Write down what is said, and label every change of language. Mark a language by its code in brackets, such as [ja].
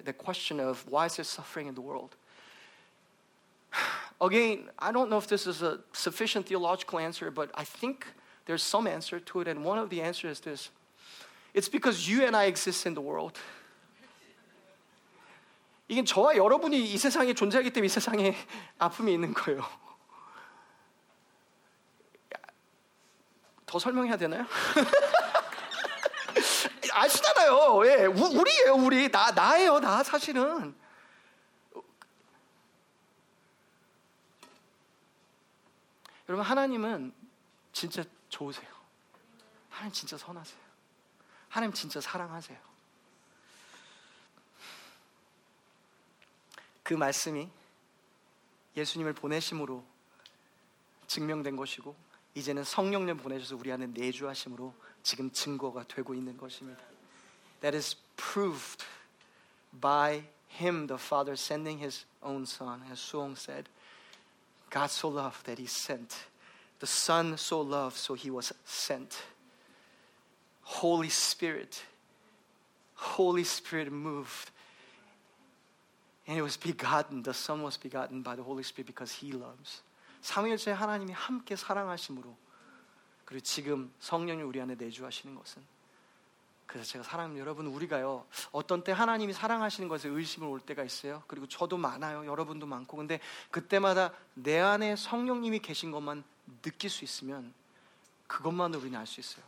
[en] The question of why is there suffering in the world? Again, I don't know if this is a sufficient theological answer, but I think there's some answer to it. And one of the answers is this. It's because you and I exist in the world. [ko] 이건 저와 여러분이 이 세상에 존재하기 때문에 이 세상에 아픔이 있는 거예요. 더 설명해야 되나요? 아시잖아요. 예, 우리예요, 우리. 나예요, 나 사실은. 여러분, 하나님은 진짜 좋으세요. 하나님 진짜 선하세요. 하나님 진짜 사랑하세요. 그 말씀이 예수님을 보내심으로 증명된 것이고 이제는 성령님 보내셔서 우리 안에 내주하심으로 지금 증거가 되고 있는 것입니다. [en] That is proved by him, the Father, sending his own son. As Suong said, God so loved that he sent. The son so loved, so he was sent. Holy Spirit. Holy Spirit moved. And it was begotten. The Son was begotten by the Holy Spirit because He loves. [ko] 삼위일체 하나님이 함께 사랑하심으로 그리고 지금 성령이 우리 안에 내주하시는 것은 그 자체가 사랑입니다. 여러분 우리가요 어떤 때 하나님이 사랑하시는 것에 의심을 올 때가 있어요. 그리고 저도 많아요. 여러분도 많고 근데 그때마다 내 안에 성령님이 계신 것만 느낄 수 있으면 그것만으로 우리는 알 수 있어요.